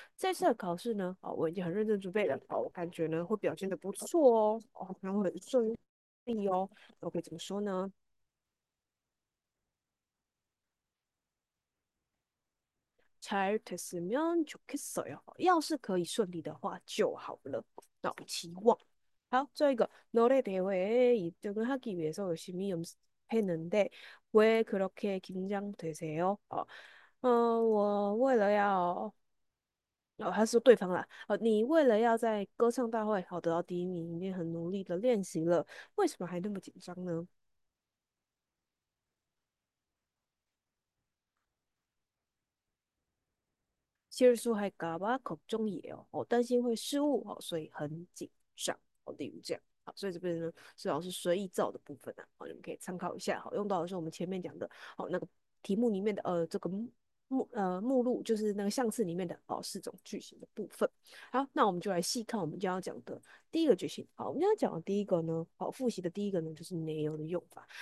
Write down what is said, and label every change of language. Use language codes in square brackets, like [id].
[zh] 这次的考试呢，哦，我已经很认真准备了，哦，我感觉呢会表现得不错哦，哦，然后很顺利哦。我可以怎么说呢？ [ko] 잘 됐으면 좋겠어요. [zh] 要是可以顺利的话就好了。那期望。好，最后一个 [ko] 노래대회에 1등을 하기 위해서 열심히 연습했는데 왜 그렇게 긴장되세요? [zh] 我为了要……哦，他说对方啦。你为了要在歌唱大会好得到第一名，已经很努力的练习了，为什么还那么紧张呢？ [ko] 실수할까 봐 걱정이에요. [zh] 担心会失误哦，所以很紧张哦。例如这样，好，所以这边呢，主要是随意造的部分啊，好，你们可以参考一下。好，用到的是我们前面讲的，好，那个题目里面的这个目录，就是那个相册里面的哦，四种句型的部分。好，那我们就来细看我们今天要讲的第一个句型。好，我们今天要讲的第一个呢，好，复习的第一个呢，就是 nail 的用法。